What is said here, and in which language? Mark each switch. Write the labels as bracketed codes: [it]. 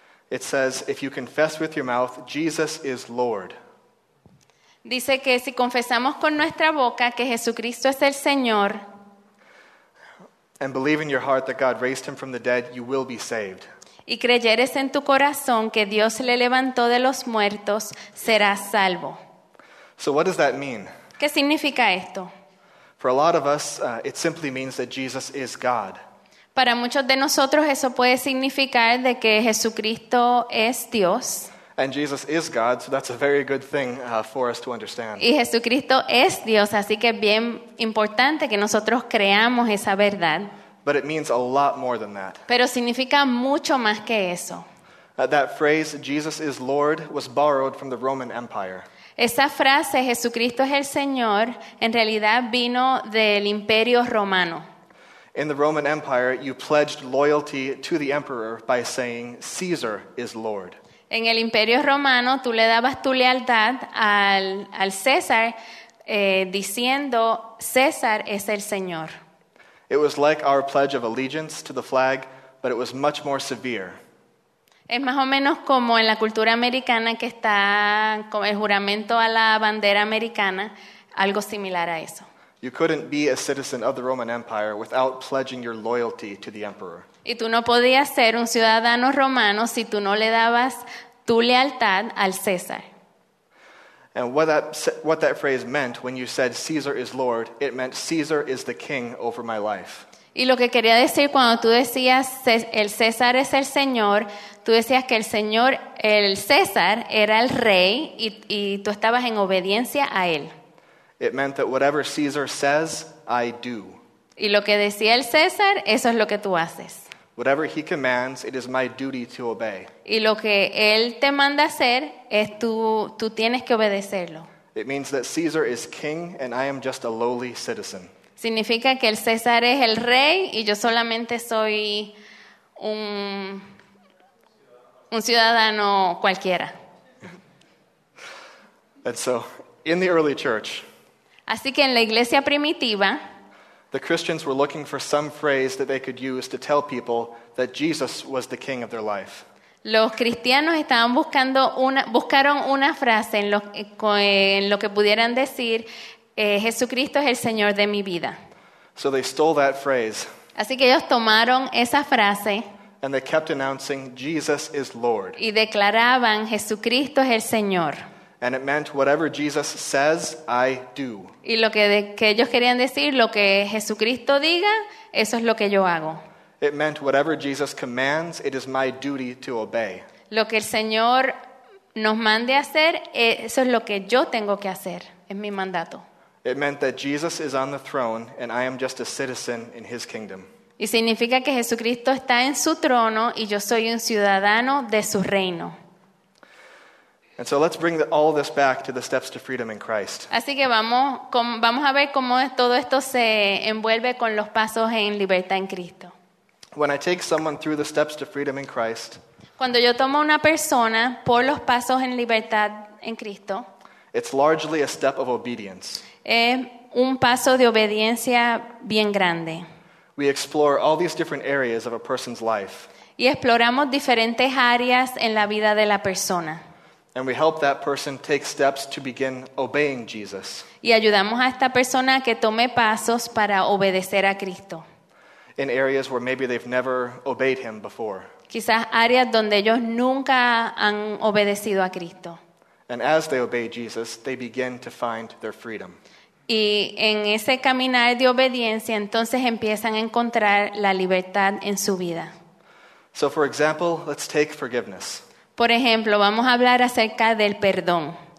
[en] It says, if you confess with your mouth, Jesus is Lord. [es] Dice que si confesamos con nuestra boca que Jesucristo es el Señor, [en] and believe in your heart that God raised him from the dead, you will be saved. [es] Y creyeres en tu corazón que Dios le levantó de los muertos, serás salvo. [en] So what does that mean? [es] ¿Qué significa esto? [en] For a lot of us, it simply means that Jesus is God. [es] Para muchos de nosotros eso puede significar de que Jesucristo es Dios. [en] And Jesus is God, so that's a very good thing for us to understand. [es] Y Jesucristo es Dios, así que es bien importante que nosotros creamos esa verdad. [en] But it means a lot more than that. [es] Pero significa mucho más que eso. [en] That phrase, Jesus is Lord, was borrowed from the Roman Empire. [es] Esa frase, Jesucristo es el Señor, en realidad vino del Imperio Romano. [en] In the Roman Empire, you pledged loyalty to the emperor by saying, Caesar is Lord. [es] En el Imperio Romano, tú le dabas tu lealtad al César, diciendo, César es el Señor. [en] It was like our pledge of allegiance to the flag, but it was much more severe. [es] Es más o menos como en la cultura americana que está con el juramento a la bandera americana, algo similar a eso. [en] You couldn't be a citizen of the Roman Empire without pledging your loyalty to the emperor. [es] Y tú no podías ser un ciudadano romano si tú no le dabas tu lealtad al César. [en] And what that phrase meant when you said Caesar is Lord, it meant Caesar is the king over my life. [es] Y lo que quería decir cuando tú decías el César es el Señor, tú decías que el César era el rey y tú estabas en obediencia a él. [en] It meant that whatever Caesar says, I do. [es] Y lo que decía el César, eso es lo que tú haces. [en] Whatever he commands, it is my duty to obey. [es] Y lo que él te manda hacer es tú tienes que obedecerlo. [en] It means that Caesar is king and I am just a lowly citizen. [es] Significa que el César es el rey y yo solamente soy un ciudadano cualquiera. [en] And so, in the early church, [es] así que en la iglesia primitiva, [en] the Christians were looking for some phrase that they could use to tell people that Jesus was the king of their life. [es] Los cristianos estaban buscaron una frase en lo que pudieran decir, Jesucristo es el Señor de mi vida. [en] So they stole that phrase. [es] Así que ellos tomaron esa frase. [en] And they kept announcing, Jesus is Lord. [es] Y declaraban, Jesucristo es el Señor. [en] And it meant, whatever Jesus says, I do. [es] Y lo que ellos querían decir, lo que Jesucristo diga, eso es lo que yo hago. [en] It meant, whatever Jesus commands, it is my duty to obey. [es] Lo que el Señor nos mande hacer, eso es lo que yo tengo que hacer. Es mi mandato. [en] It meant that Jesus is on the throne, and I am just a citizen in his kingdom. [es] Y significa que Jesucristo está en su trono, y yo soy un ciudadano de su reino. [en] And so let's bring all this back to the steps to freedom in Christ. [es] Así que vamos a ver cómo todo esto se envuelve con los pasos en libertad en Cristo. [en] When I take someone through the steps to freedom in Christ, [es] cuando yo tomo una persona por los pasos en libertad en Cristo, [en] it's largely a step of obedience. [es] Es un paso de obediencia bien grande. [en] We explore all these different areas of a person's life. [es] Y exploramos diferentes áreas en la vida de la persona. [en] And we help that person take steps to begin obeying Jesus. [es] Y ayudamos a esta persona a que tome pasos para obedecer a Cristo. [en] In areas where maybe they've never obeyed him before. [es] Quizás áreas donde ellos nunca han obedecido a Cristo. [en] And as they obey Jesus, they begin to find their freedom. [es] Y en ese caminar de obediencia, entonces empiezan a encontrar la libertad en su vida. [en] So for example, let's take forgiveness. [es] Por ejemplo, vamos a hablar acerca del perdón.